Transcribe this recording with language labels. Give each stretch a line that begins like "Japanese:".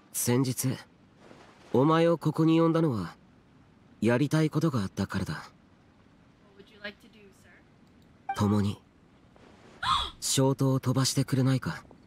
Japanese: 先日、お前をここに呼んだのは、やりたいことがあったからだ。
English: What would you like to do, sir?
Japanese: 共に、消灯を飛ばしてくれないか。